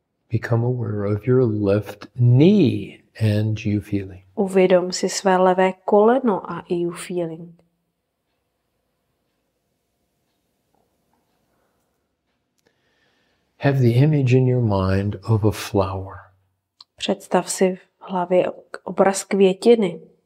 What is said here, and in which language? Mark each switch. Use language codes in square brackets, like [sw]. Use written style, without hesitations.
[en] Become aware of your left knee and you feeling. [cs] Uvědom si své levé koleno a you feeling. [en] Have the image in your mind of a flower. [cs] Představ si v hlavě obraz květiny.